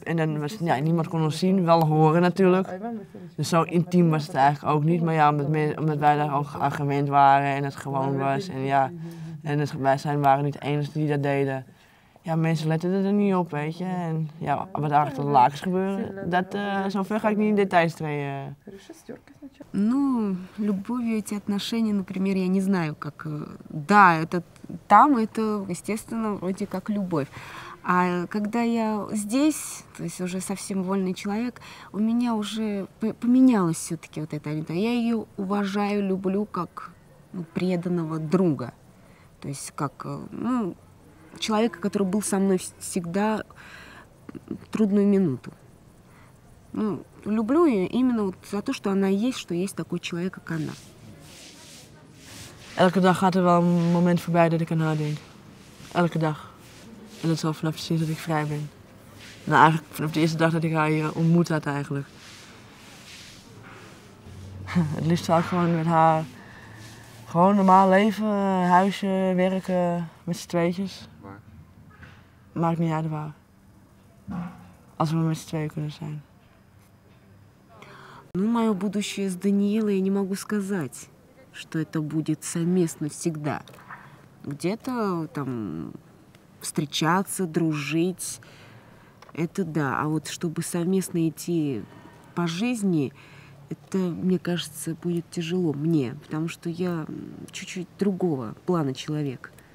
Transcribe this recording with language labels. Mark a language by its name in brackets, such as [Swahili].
[Dutch] En dan was, ja, niemand kon ons zien, wel horen natuurlijk. Dus zo intiem was het eigenlijk ook niet. Maar ja, omdat wij daar ook geagreerd waren en het gewoon was. En ja, en het, wij waren niet de enige die dat deden. Ja, mensen letten er niet op, weet je. En ja, wat er achter de lakens gebeuren, dat zover ga ik niet in details treden. [Russian] Ну, любовью эти отношения, например, я не знаю, как... Да, это там это, естественно, вроде как любовь. А когда я здесь, то есть уже совсем вольный человек, у меня уже поменялось всё-таки вот это. Я её уважаю, люблю как преданного друга. То есть как, ну, человека, который был со мной всегда трудную минуту. Ну, люблю ее именно вот за то, что она есть, что есть такой человек, как она. [Dutch] Elke dag gaat er wel een moment voorbij dat ik aan haar denk. Elke dag. En dat is al vanaf sinds dat ik vrij ben. Nou, eigenlijk vanaf de eerste dag dat ik haar hier ontmoet had eigenlijk. Het liefst zou ik gewoon met haar gewoon normaal leven, huisje, werken, met z'n tweetjes. Waar? Maakt niet uit waar. Als we met z'n tweeën kunnen zijn. [Russian] Ну, мое будущее с Даниилой я не могу сказать, что это будет совместно всегда. Где-то там встречаться, дружить, это да. А вот чтобы совместно идти по жизни, это, мне кажется, будет тяжело мне, потому что я чуть-чуть другого плана человек.